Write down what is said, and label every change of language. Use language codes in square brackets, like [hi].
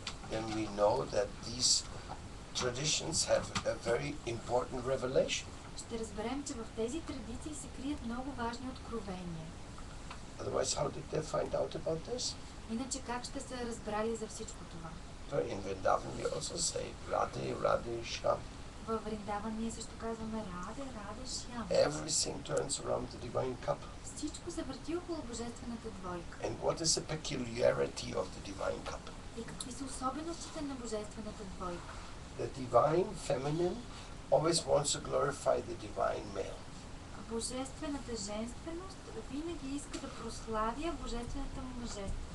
[en] then we know that these traditions have a very important revelation. [bg] Ще разберем, че в тези традиции се крият много важни откровения. [en] Otherwise, how did they find out about this? [bg] Иначе как ще се разбрали за всичко това? [en] So in Vrindavan we also say Radhe, Radhe, Shyam. [bg] В Вриндаван ние също казваме Раде, Раде, Шиам. [en] Everything turns around the divine couple. [bg] Всичко се върти около Божествената двойка. [en] And what is the peculiarity of the divine couple? [bg] И какви са особеностите на Божествената двойка? [en] The divine feminine always wants to glorify the divine male. [bg] Божествената женственост винаги иска да прославя божествената мъжественост.